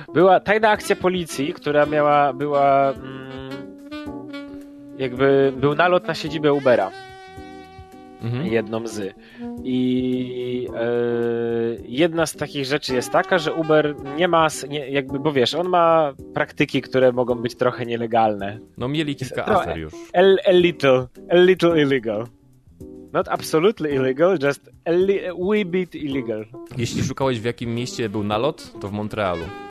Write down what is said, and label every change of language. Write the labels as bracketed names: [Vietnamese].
[Polish] Była tajna akcja policji, która była jakby był nalot na siedzibę Ubera. Mhm. Jedną z. I jedna z takich rzeczy jest taka, że Uber nie ma, nie, jakby, bo wiesz, on ma praktyki, które mogą być trochę nielegalne. No mieli kilka afer już. [English] A little illegal. Not absolutely illegal, just a wee bit illegal. [Polish] Jeśli szukałeś, w jakim mieście był nalot, to w Montrealu.